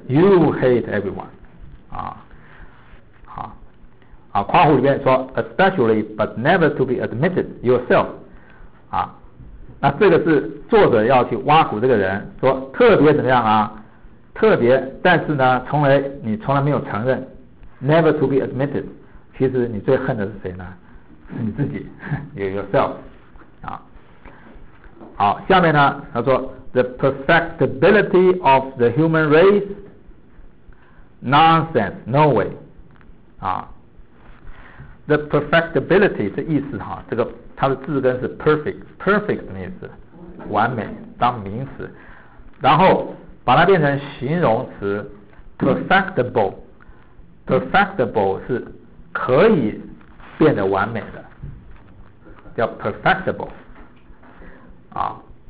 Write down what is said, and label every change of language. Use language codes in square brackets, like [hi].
[en] You hate everyone, [zh] 啊，好，啊，括弧里面说 [en] especially, but never to be admitted yourself, [zh] 啊，那这个是作者要去挖苦这个人，说特别怎么样啊？特别，但是呢，从来没有承认 ， [en] never to be admitted。 [zh] 其实你最恨的是谁呢？是你自己 ，yourself, 啊，好，下面呢，他说。 [en] The perfectibility of the human race, nonsense, no way. 啊 ，the perfectibility [zh] 这意思哈，这个它的字根是 perfect， perfect 的意思，完美，当名词，然后把它变成形容词 perfectible。 perfectible 是可以变得完美的，叫 perfectible 啊。